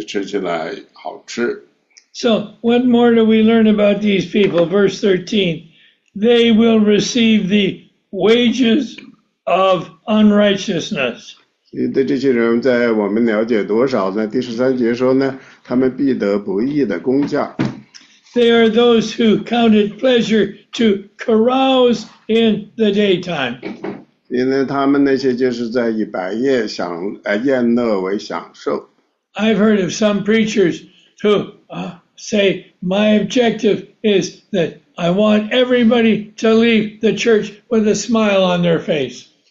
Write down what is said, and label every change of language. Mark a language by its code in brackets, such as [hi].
[zh] 因为你要确保去吃神呢，赐给你，让你变得强大的这样的食物。魔鬼呢，他有可能给你那些，就是说是番茄酱，或者说是花生酱果酱做的那些三明治，也许你吃起来好吃。 [en] So what more do we learn about these people? Verse 13, they will receive the wages of unrighteousness. [zh] 对这些人，在我们了解多少呢？第13节说呢，他们必得不义的工价。 [en] They are those who count it pleasure to carouse in the daytime. [zh] 因为他们那些就是在以白夜享宴乐为享受。 [en] I've heard of some preachers who say, my objective is that I want everybody to leave the church with a smile on their face.